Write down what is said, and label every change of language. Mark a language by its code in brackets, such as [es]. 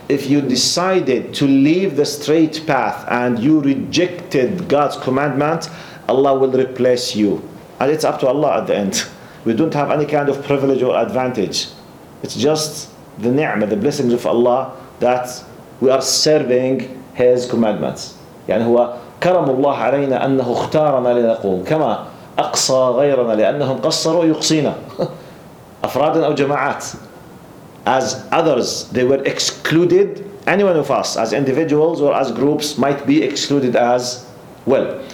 [en] If you decided to leave the straight path and you rejected God's commandment, Allah will replace you. And it's up to Allah at the end. We don't have any kind of privilege or advantage. It's just the ni'mah, the blessings of Allah that we are serving His commandments. [ar] يعني هو كرم الله علينا أنه اختارنا لنقوم كما أقصى غيرنا لأنهم قصروا يقصينا أفرادا أو جماعات. [en] As others, they were excluded, any one of us as individuals or as groups might be excluded as well.